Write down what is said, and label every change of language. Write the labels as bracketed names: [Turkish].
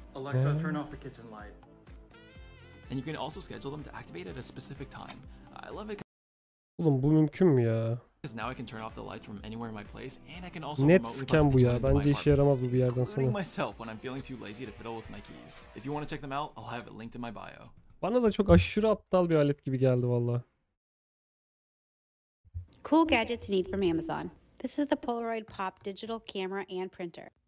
[English] Alexa, turn off the kitchen light. And you can also schedule them to activate at a specific time. I love it. [Turkish] Oğlum bu mümkün mü ya? [English] Because now I can turn off the lights from anywhere in my place, and I can also [Turkish] netken bu ya. Bence işe yaramaz bu bir yerden sonra. [English] Including myself when I'm feeling too lazy to fiddle with my keys. If you want to check them out, I'll have it linked in my bio. [Turkish] Bana da çok aşırı aptal bir alet gibi geldi valla. [English] Cool gadgets you need from Amazon. This is the Polaroid Pop digital camera and printer.